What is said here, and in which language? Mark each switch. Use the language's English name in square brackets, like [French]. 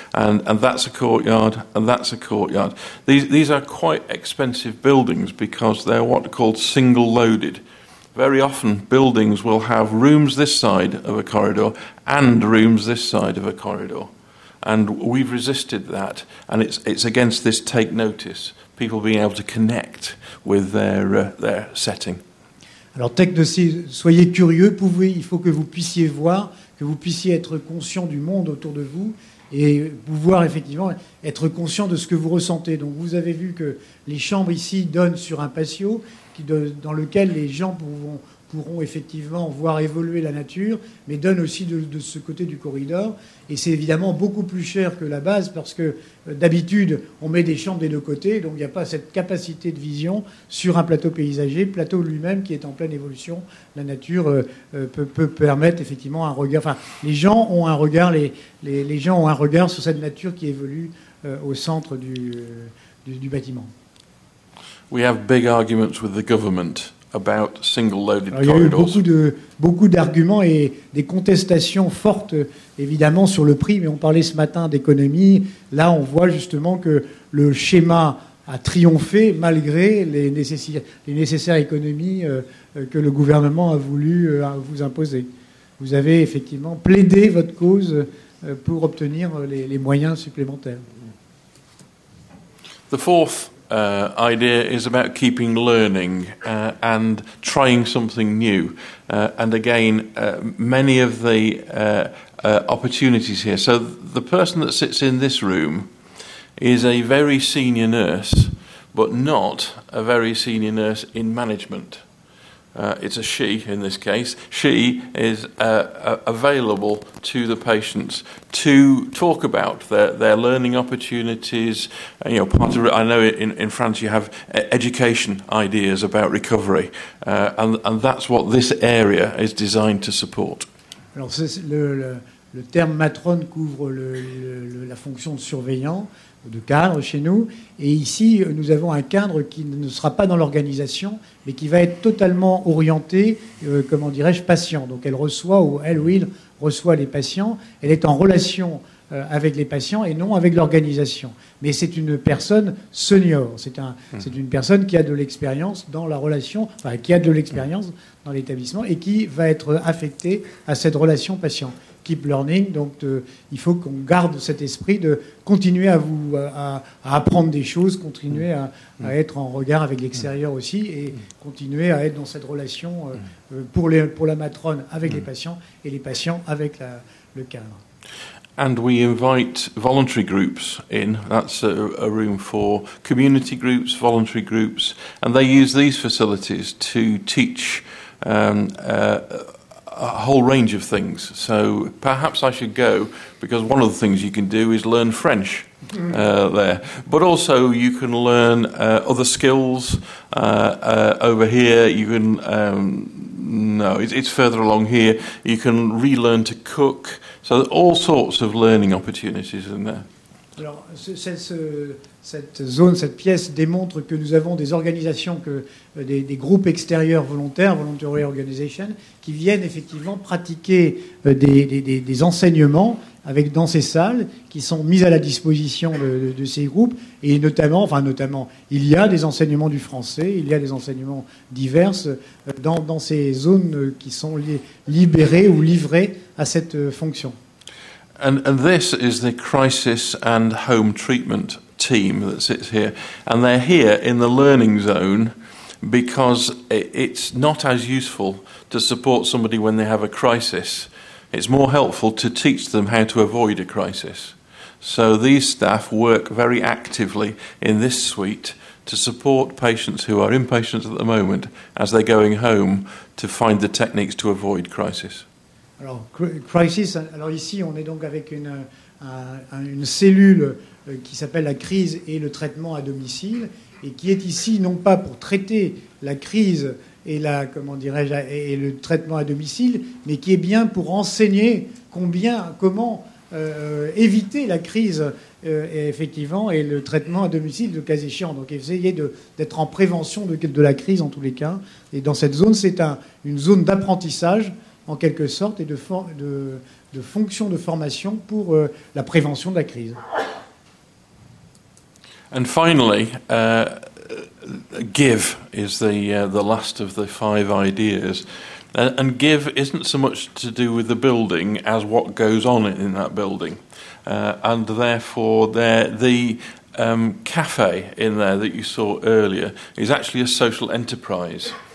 [English] And that's a courtyard, and that's a courtyard. These are quite expensive buildings because they're what are called single-loaded. Very often, buildings will have rooms this side of a corridor and rooms this side of a corridor. And we've resisted that, and it's against this take notice, people being able to connect with their setting. [French] Alors, soyez curieux, il faut que vous puissiez voir, que vous puissiez être conscient du monde autour de vous, et pouvoir effectivement être conscient de ce que vous ressentez. Donc vous avez vu que les chambres ici donnent sur un patio, dans lequel les gens pourront effectivement voir évoluer la nature, mais donnent aussi de ce côté du corridor. Et c'est évidemment beaucoup plus cher que la base, parce que d'habitude, on met des chambres des deux côtés, donc il n'y a pas cette capacité de vision sur un plateau paysager, plateau lui-même qui est en pleine évolution. La nature peut permettre effectivement un regard. Enfin, les gens ont un regard, les gens ont un regard sur cette nature qui évolue au centre du bâtiment. [English] We have big arguments with the government about single-loaded corridors. [French] Il y a eu beaucoup d'arguments et des contestations fortes, évidemment, sur le prix. Mais on parlait ce matin d'économie. Là, on voit justement que le schéma a triomphé malgré les nécessaires économies que le gouvernement a voulu vous imposer. Vous avez effectivement plaidé votre cause pour obtenir les moyens supplémentaires. [English] The fourth idea is about keeping learning and trying something new. And again, many of the opportunities here. So the person that sits in this room is a very senior nurse, but not a very senior nurse in management. It's a she in this case. She is available to the patients to talk about their learning opportunities. And, you know, part of it, I know in France you have education ideas about recovery, and that's what this area is designed to support. [French] Alors, c'est le terme matrone couvre la fonction de surveillant, de cadre chez nous. Et ici, nous avons un cadre qui ne sera pas dans l'organisation, mais qui va être totalement orienté, comment dirais-je, patient. Donc elle reçoit, ou elle ou il reçoit les patients. Elle est en relation avec les patients et non avec l'organisation. Mais c'est une personne senior. C'est une personne qui a de l'expérience dans la relation, enfin, qui a de l'expérience dans l'établissement et qui va être affectée à cette relation patient. [English] Keep learning, [French] donc il faut qu'on garde cet esprit de continuer à apprendre des choses, continuer à être en regard avec l'extérieur aussi, et continuer à être dans cette relation pour la matrone avec les patients et les patients avec le cadre. [English] And we invite voluntary groups in. That's a room for community groups, voluntary groups, and they use these facilities to teach a whole range of things. So perhaps I should go, because one of the things you can do is learn French there. But also you can learn other skills over here. You can, it's further along here. You can relearn to cook. So all sorts of learning opportunities in there. [French] Alors, cette zone, cette pièce démontre que nous avons des organisations, des groupes extérieurs volontaires, [English] voluntary organizations, [French] qui viennent effectivement pratiquer des enseignements dans ces salles qui sont mises à la disposition de ces groupes. Et notamment, il y a des enseignements du français, il y a des enseignements divers dans ces zones qui sont libérées ou livrées à cette fonction. [English] And this is the crisis and home treatment team that sits here. And they're here in the learning zone because it's not as useful to support somebody when they have a crisis. It's more helpful to teach them how to avoid a crisis. So these staff work very actively in this suite to support patients who are inpatients at the moment as they're going home to find the techniques to avoid crisis. [French] Alors, crisis. Alors ici, on est donc avec une cellule qui s'appelle la crise et le traitement à domicile, et qui est ici non pas pour traiter la crise et le traitement à domicile, mais qui est bien pour enseigner comment éviter la crise effectivement et le traitement à domicile, le cas échéant. Donc essayer d'être en prévention de la crise en tous les cas. Et dans cette zone, c'est une zone d'apprentissage, en quelque sorte, et de fonction de formation pour la prévention de la crise. [English] And finally, give is the last of the five ideas. And give isn't so much to do with the building as what goes on in that building. And therefore, the cafe in there that you saw earlier is actually a social enterprise.